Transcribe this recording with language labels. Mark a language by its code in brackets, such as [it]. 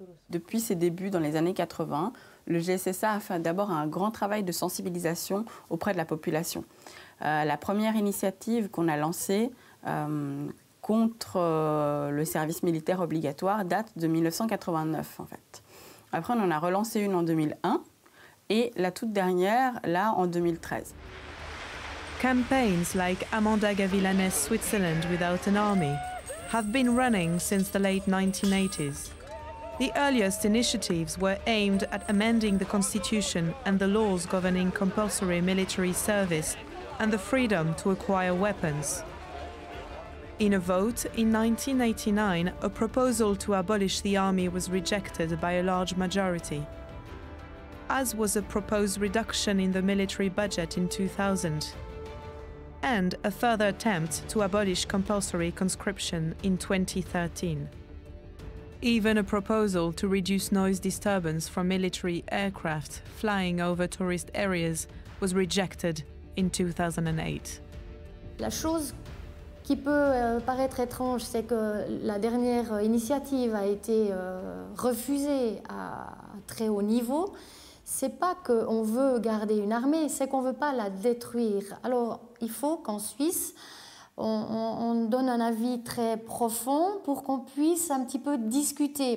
[fr] Depuis ses débuts dans les années 80, le GSSA a fait d'abord un grand travail de sensibilisation auprès de la population. La première initiative qu'on a lancée contre le service militaire obligatoire date de 1989, en fait. Après, on en a relancé une en 2001 et la toute dernière, là, en 2013. [en] Campaigns like Amanda Gavilanes Switzerland without an army have been running since the late 1980s. The earliest initiatives were aimed at amending the constitution and the laws governing compulsory military service and the freedom to acquire weapons. In a vote in 1989, a proposal to abolish the army was rejected by a large majority, as was a proposed reduction in the military budget in 2000, and a further attempt to abolish compulsory conscription in 2013. Even a proposal to reduce noise disturbance from military aircraft flying over tourist areas was rejected in 2008. [fr] La chose qui peut paraître étrange, c'est que la dernière initiative a été refusée à très haut niveau. C'est pas qu'on veut garder une armée, c'est qu'on veut pas la détruire. Alors, il faut qu'en Suisse, on donne un avis très profond pour qu'on puisse un petit peu discuter.